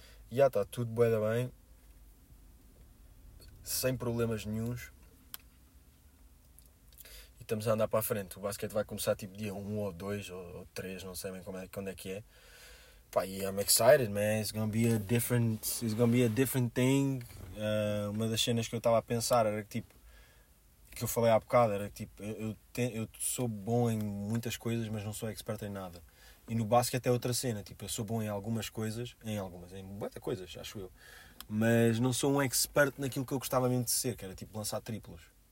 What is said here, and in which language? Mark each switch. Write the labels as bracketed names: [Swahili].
[Portuguese] Já está tudo bué da bem, sem problemas nenhuns. Estamos a andar para a frente. O basquete vai começar tipo dia 1 ou 2 ou 3, não sei bem quando é que é. Pá, e [English] I'm excited, man. It's gonna be a different thing. [Portuguese] Uma das cenas que eu estava a pensar era que, tipo, que eu falei há bocado, era que, tipo, eu sou bom em muitas coisas, mas não sou expert em nada. E no basquete é outra cena, tipo, eu sou bom em muitas coisas, acho eu. Mas não sou um expert naquilo que eu gostava mesmo de ser, que era tipo lançar triplos.